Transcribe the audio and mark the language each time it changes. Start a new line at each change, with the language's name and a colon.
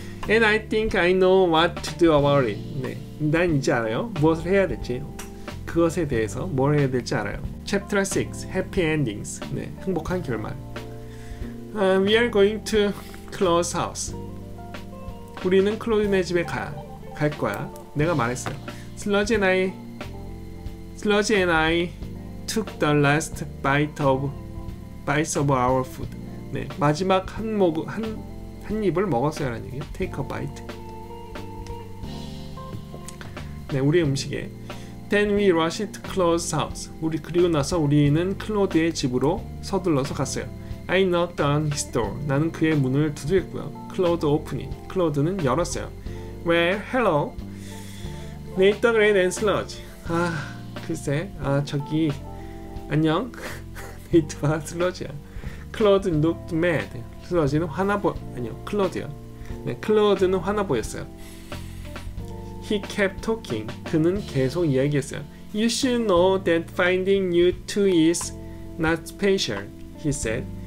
English: And I think I know what to do about it.
Korean: 네. 난 이제 알아요. 무엇을 해야 될지. 그것에 대해서 뭘 해야 될지 알아요.
English: Chapter 6. Happy Endings.
Korean: 네. 행복한 결말.
English: We are going to close house.
Korean: 우리는 클로드네 집에 갈 거야. 내가 말했어요.
English: Sludge and I took the last bite of our food.
Korean: 네, 마지막 한 입을 먹었어요. 라는 얘기예요.
English: Take a bite.
Korean: 네, 우리 음식에.
English: Then we rushed to Claude's house.
Korean: 우리 그리고 나서 우리는 클로드의 집으로 서둘러서 갔어요.
English: I knocked on his door.
Korean: 나는 그의 문을 두드렸고요.
English: Claude opened it.
Korean: Claude는 열었어요.
English: Well, hello. Nate the Great and Sludge.
Korean: 아, 글쎄. 아, 저기. 안녕. Nate와 Sludge야.
English: Claude looked mad.
Korean: 클라우드는 화나 보 아니요 클로드요. 네, 클로드는 화나 보였어요.
English: He kept talking.
Korean: 그는 계속 이야기했어요.
English: You should know that finding you two is not special, he said.